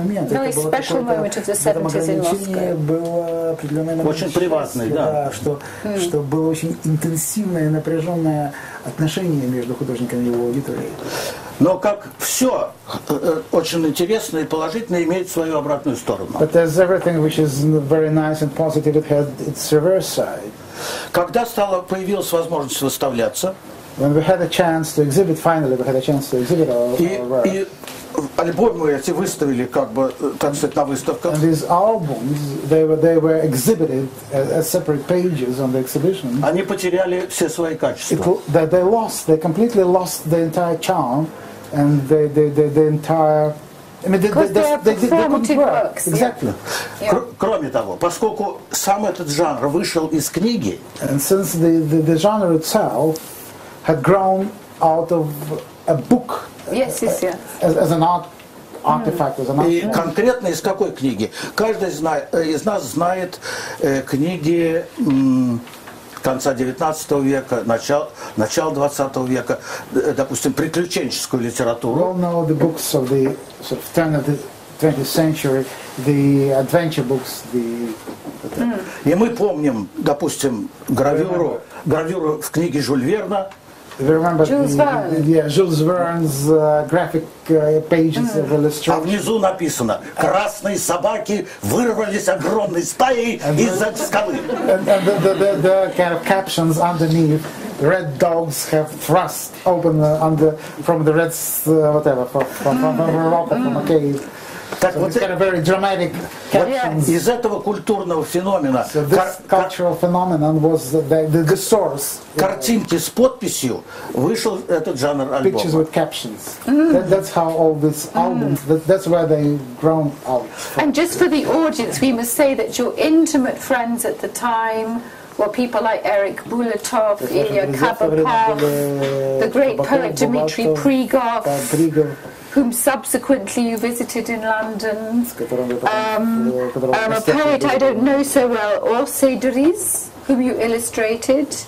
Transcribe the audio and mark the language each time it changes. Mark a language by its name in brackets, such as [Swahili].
[English] Very special moment of the 70s in Moscow. [Russian] Очень приватный, да. Что было очень интенсивное, напряженное отношение между художником и его аудиторией. Но как все очень интересное и положительное имеет свою обратную сторону. [English] But as everything which is very nice and positive, it had its reverse side. [Russian] Когда появилась возможность выставляться? [English] When we had a chance to exhibit, finally we had a chance to exhibit our work. [Russian] И альбомы эти выставили, как бы, так сказать, на выставках. [English] And these albums, they were exhibited as separate pages on the exhibition. [Russian] Они потеряли все свои качества. [English] They completely lost the entire charm and the entire. I mean, they couldn't work. Exactly. [Russian] Кроме того, поскольку сам этот жанр вышел из книги, [English] and since the genre itself had grown out of a book, as an art artifact, as an art. [Russian] И конкретно из какой книги? Каждый из нас знает книги конца 19 века, начала 20 века, допустим, приключенческую литературу. [English] We all know the books of the sort of turn of the 20th century, the adventure books, the. [Russian] И мы помним, допустим, гравюру в книге Жюль Верна. [English] We remember Jules Verne's graphic pages of illustrations. [Russian] А внизу написано: красные собаки вырвались огромной стаей из-за скалы. [English] And the kind of captions underneath: red dogs have thrust open from the red whatever from a rock or from a cave. [Russian] Так вот, [English] kind of very dramatic captions. [Russian] Из этого культурного феномена, [English] cultural phenomenon was the source. [Russian] Картинки с подписью вышел этот жанр альбома. [English] Pictures with captions. That's how all these albums. That's where they grown out. And just for the audience, we must say that your intimate friends at the time were people like Eric Bulatov, Ilya Kabakov, the great poet Dmitri Prigov, whom subsequently you visited in London, a poet I don't know so well, Orsay Driz, whom you illustrated.